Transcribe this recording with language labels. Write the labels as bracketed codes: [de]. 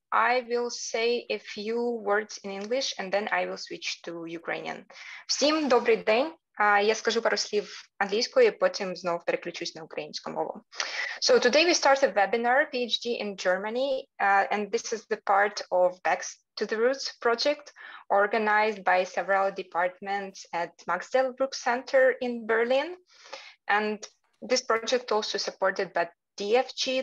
[en] I will say a few words in English and then I will switch to Ukrainian. [uk] Всім добрий день. Я скажу пару слів англійською, потім знову переключусь на українську мову. [en] So, today we start a webinar, PhD in Germany, and this is the part of Back to the Roots project organized by several departments at Max Delbruck Center in Berlin. And this project also supported by DFG.